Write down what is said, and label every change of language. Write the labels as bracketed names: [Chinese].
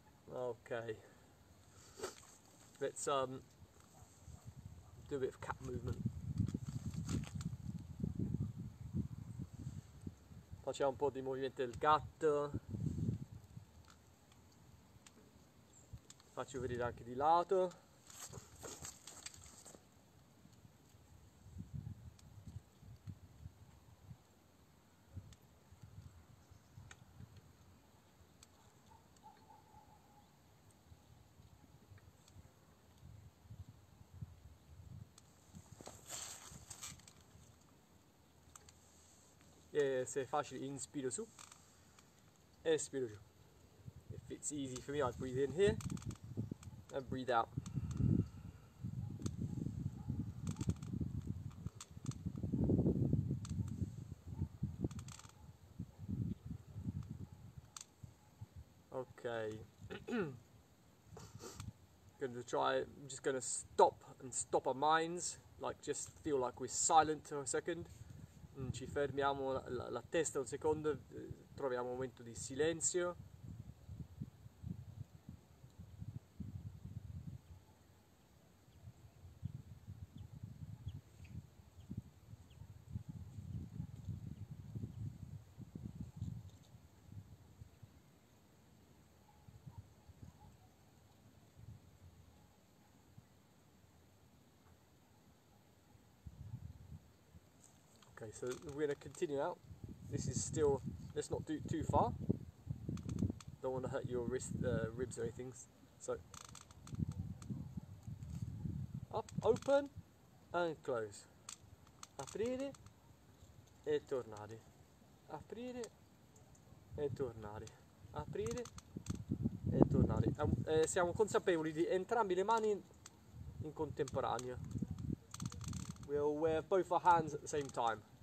[English] Ok, let's do a bit of cat movement. [Italian] Facciamo un po' di movimento del gatto. Faccio vedere anche di lato. Se è facile, inspiro su, espiro giù. [English] If it's easy for me, I'll breathe in here and breathe out. Ok. I'm just gonna stop and stop our minds, like just feel like we're silent for a second. [Italian] Ci fermiamo la testa un secondo, troviamo un momento di silenzio. [English] Okay, so we're going to continue now. This is still, let's not do it too far. Don't want to hurt your wrist, ribs or anything. So, up, open and close. [Italian] Aprire e tornare. Aprire e tornare. Aprire e tornare. Siamo consapevoli di entrambe le mani in contemporanea. [English] We'll wear both our hands at the same time.